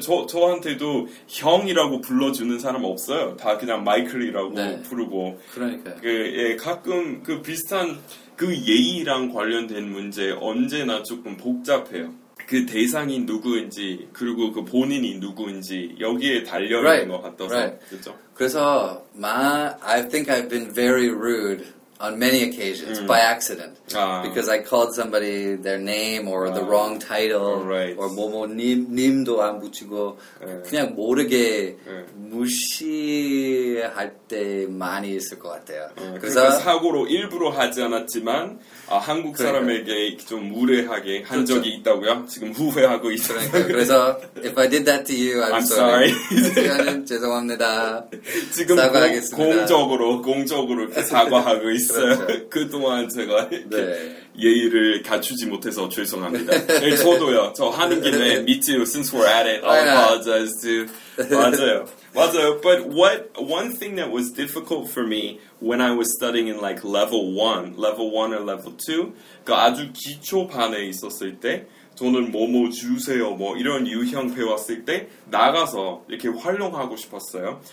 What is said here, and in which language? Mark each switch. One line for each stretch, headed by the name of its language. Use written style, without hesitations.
Korean: 저한테도 형이라고 불러주는 사람 없어요. 다 그냥 마이클이라고 네. 부르고. 그러니까요. 예, 가끔 그 비슷한 그 예의랑 관련된 문제 언제나 조금 복잡해요. 그 대상이 누구인지 그리고 그 본인이 누구인지 여기에 달려있는
English: right.
Korean: 것 같아서
English: right.
Korean: 그렇죠?
English: 그래서 I think I've been very rude on many occasions by accident because I called somebody their name or the wrong title right.
Korean: or 뭐뭐님도 안 붙이고 그냥 모르게 무시할 때 많이 있을 것 같아요. 그래서 그러니까 사고로 일부러 하지 않았지만 한국 사람에게 좀 무례하게 한 그렇죠. 적이 있다고요? 지금 후회하고 있어요.
English: 그래서 if I did that to you, I'm sorry.
Korean: 죄송합니다. 지금 사과하겠습니다. 공적으로 이렇게 사과하고 있어요. 그렇죠. 그동안 제가 네. 예의를 갖추지 못해서 죄송합니다. 네, 저도요. 저 하는 김에
English: me too, since we're at it, I apologize too. 맞아요. But one thing that was difficult for me when I was studying in like level 1 or level 2,
Korean: 아주 기초반에 있었을 때 저는 뭐뭐 주세요 뭐 이런 유형 배웠을 때 나가서 이렇게 활용하고 싶었어요.